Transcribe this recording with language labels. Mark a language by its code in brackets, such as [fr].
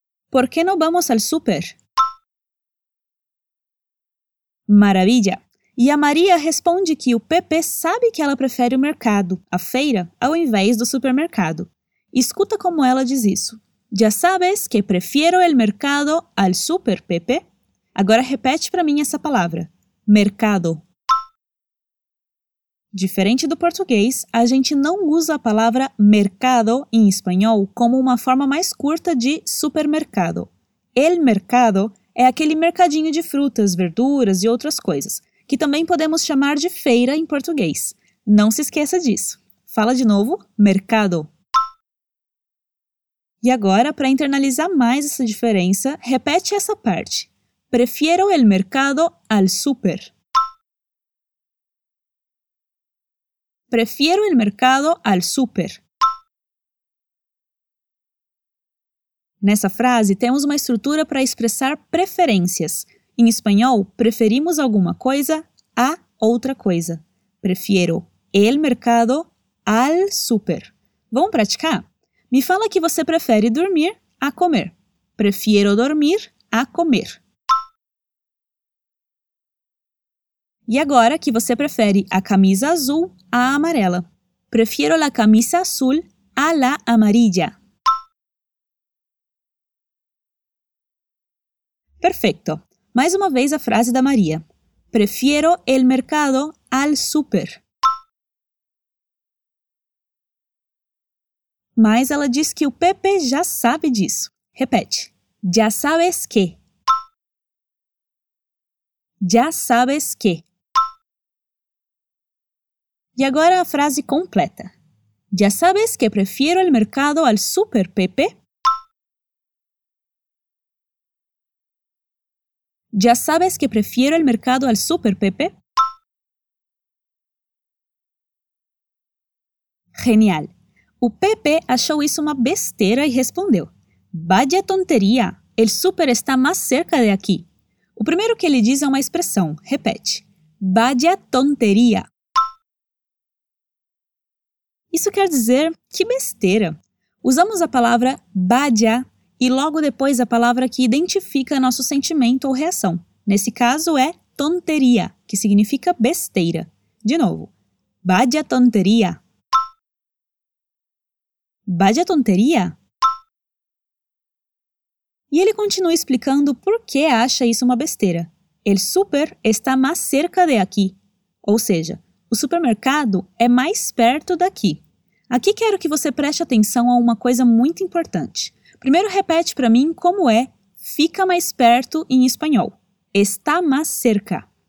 [pt] Por que não vamos ao super? Maravilha! E a Maria responde que o Pepe sabe que ela prefere o mercado, a feira, ao invés do supermercado. Escuta como ela diz isso. [es] Ya sabes que prefiero el mercado al super, Pepe. [pt] Agora repete para mim essa palavra. Mercado. Diferente do português, a gente não usa a palavra mercado em espanhol como uma forma mais curta de supermercado. El mercado é aquele mercadinho de frutas, verduras e outras coisas, que também podemos chamar de feira em português. Não se esqueça disso. Fala de novo, mercado. E agora, para internalizar mais essa diferença, repete essa parte. [es] Prefiero el mercado al super. Prefiero el mercado al super. [pt] Nessa frase, temos uma estrutura para expressar preferências. Em espanhol, preferimos alguma coisa a outra coisa. Prefiero el mercado al super. Vamos praticar? Me fala que você prefere dormir a comer. [es] Prefiero dormir a comer. [pt] E agora que você prefere a camisa azul à amarela. [es] Prefiero la camisa azul a la amarilla. [pt] Perfeito. Mais uma vez a frase da Maria. [es] Prefiero el mercado al super. [pt] Mas ela diz que o Pepe já sabe disso. Repete. [es] Já sabes que. Já sabes que. [pt] E agora a frase completa. [es] Já sabes que prefiero el mercado al super, Pepe? Já sabes que prefiero el mercado al super, Pepe? [pt] Genial! O Pepe achou isso uma besteira e respondeu. [es] Vaya tontería! El super está más cerca de aquí. [pt] O primeiro que ele diz é uma expressão. Repete. [es] Vaya tontería! [pt] Isso quer dizer que besteira. Usamos a palavra vaya e logo depois a palavra que identifica nosso sentimento ou reação. Nesse caso é tonteria, que significa besteira. De novo, [es] vaya tontería. Vaya tontería. [pt] E ele continua explicando por que acha isso uma besteira. [es] El super está más cerca de aquí. [pt] Ou seja, o supermercado é mais perto daqui. Aqui quero que você preste atenção a uma coisa muito importante. Primeiro repete para mim como é fica mais perto em espanhol. [es] Está más cerca.